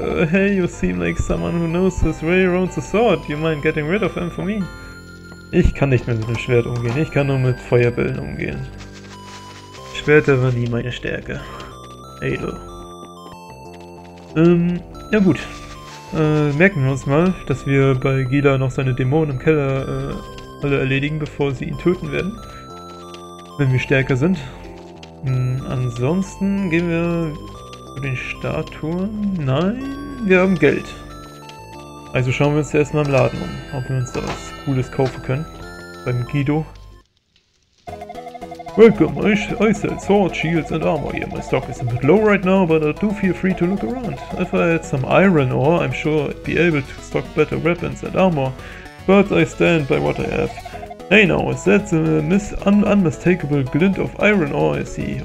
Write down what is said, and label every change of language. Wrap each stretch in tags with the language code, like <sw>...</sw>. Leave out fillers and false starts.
<en>Hey, you seem like someone who knows his way around the sword. You mind getting rid of them for me?</en> <de>Ich kann nicht mehr mit dem Schwert umgehen. Ich kann nur mit Feuerbällen umgehen. Schwerter war nie meine Stärke. Edel. Ja gut, merken wir uns mal, dass wir bei Gila noch seine Dämonen im Keller alle erledigen, bevor sie ihn töten werden. Wenn wir stärker sind. Ansonsten gehen wir zu den Statuen. Nein, wir haben Geld. Also schauen wir uns erstmal im Laden um, ob wir uns da was Cooles kaufen können. Beim Guido.</de> <en>Welcome, I sell swords, shields and armor here. My stock is a bit low right now, but I do feel free to look around. If I had some iron ore, I'm sure I'd be able to stock better weapons and armor. But I stand by what I have. Hey now, is that the unmistakable glint of iron ore I see?</en>